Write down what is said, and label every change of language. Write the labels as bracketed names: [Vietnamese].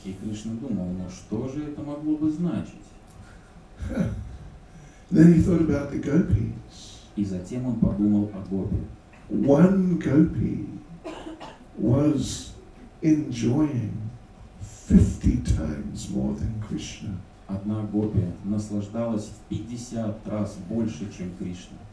[Russian] И Кришна думал, ну что же это могло бы значить? [English] Then he thought about the gopis. [Russian] И затем он подумал о гопи. [English] One gopi was enjoying 50 times more than Krishna. [Russian] Одна гопи наслаждалась в 50 раз больше, чем Кришна.